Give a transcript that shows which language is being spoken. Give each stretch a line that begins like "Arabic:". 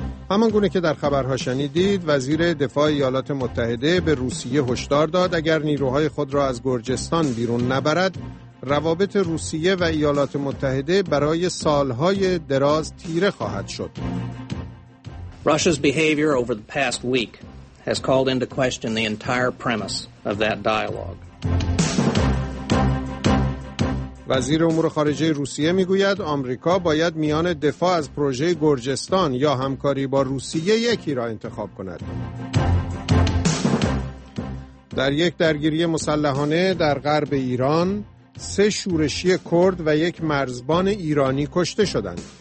Persian: همان گونه که در خبرها شنیدید، وزیر دفاع ایالات متحده به روسیه هشدار داد اگر نیروهای خود را از گرجستان بیرون نبرد، روابط روسیه و ایالات متحده برای سالهای دراز تیره خواهد شد.
English: Russia's behavior over the past week has called into question the entire premise of that dialogue.
Persian: وزیر امور خارجه روسیه میگوید آمریکا باید میان دفاع از پروژه گرجستان یا همکاری با روسیه یکی را انتخاب کند. در یک درگیری مسلحانه در غرب ایران، 3 شورشی کرد و 1 مرزبان ایرانی کشته شدند.